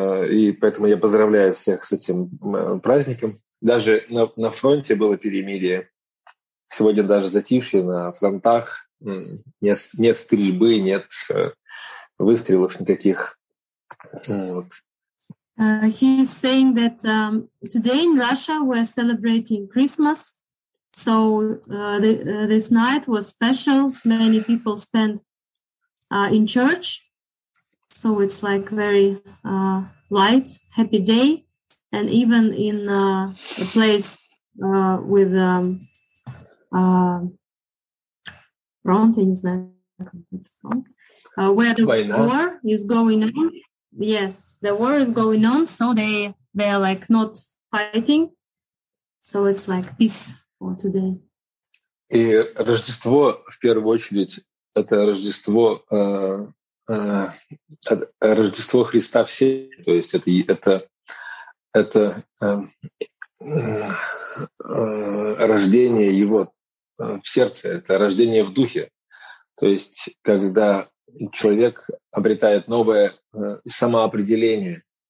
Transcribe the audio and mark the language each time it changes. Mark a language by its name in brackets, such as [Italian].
[Russian] И поэтому я поздравляю всех с этим праздником. Даже на фронте было перемирие. Сегодня даже затишье на фронтах. Нет стрельбы, нет выстрелов никаких. [English] He's saying that today in Russia we're celebrating Christmas, so this night was special. Many people spent in church, so it's like very light, happy day. And even in a place with wrong things, where the war is going on. Yes, the war is going on, so they are like not fighting, so it's like peace for today. [Russian] И Рождество в первую очередь это Рождество Рождество Христа всей, то есть это рождение Его в сердце, это рождение в духе, то есть когда человек обретает новое самоопределение.